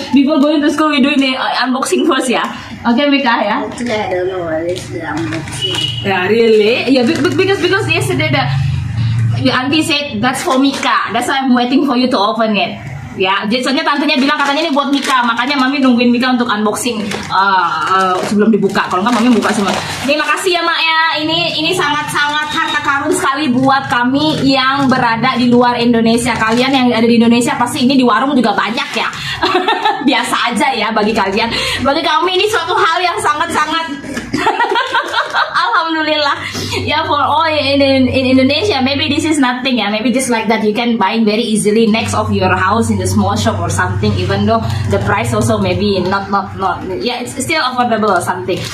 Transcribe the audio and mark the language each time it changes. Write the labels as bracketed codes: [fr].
[en] Before going to school, we do the unboxing first ya. Okay, Mika ya. Yeah, I don't know what is the unboxing. Yeah, really? Yeah, because yesterday the auntie said that's for Mika. That's why I'm waiting for you to open it. Ya, yeah. [id] Soalnya tantenya bilang katanya ini buat Mika, makanya mami nungguin Mika untuk unboxing sebelum dibuka. Kalau enggak mami buka semua. Terima kasih ya, Mak ya. Ini sangat-sangat harta karun sekali buat kami yang berada di luar Indonesia. Kalian yang ada di Indonesia pasti ini di warung juga banyak ya. Biasa aja ya bagi kalian. Bagi kami ini suatu hal yang sangat-sangat alhamdulillah. [en] Yeah, for all in Indonesia, maybe this is nothing. Yeah, maybe just like that, you can buy very easily next of your house in the small shop or something. Even though the price also maybe not. Yeah, it's still affordable or something.